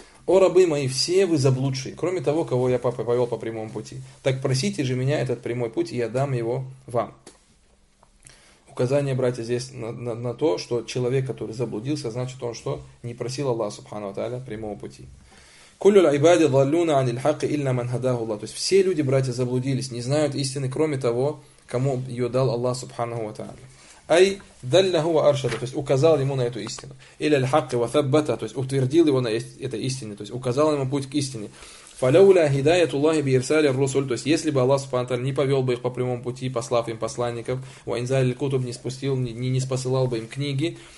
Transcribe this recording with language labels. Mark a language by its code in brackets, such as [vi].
[ru] О, рабы мои, все вы заблудшие, кроме того, кого я повел по прямому пути. Так просите же меня этот прямой путь, и я дам его вам. Указание, братья, здесь на то, что человек, который заблудился, значит, он что? Не просил Аллаха Субхану ва Тааля прямого пути. [ar] كل العباد ضالون عن الحق إلا من هداه الله. [ru] То есть все люди, братья, заблудились, не знают истины, кроме того, кому ее дал Аллах Субханаху ва Тааля. [ar] Ай даллаху ва аршада, [ru] то есть указал ему на эту истину. Или [ar] الحق وثبته, [ru] то есть утвердил его на этой истине, то есть указал ему путь к истине. [ar] فلولا هداية الله بإرسال الرسل, [ru] то есть если бы Аллах Субханаху ва Тааля не повел бы их по прямому пути, послав им посланников, [ar] وإنزال الكتب, [ru] не спустил, не посылал бы им книги.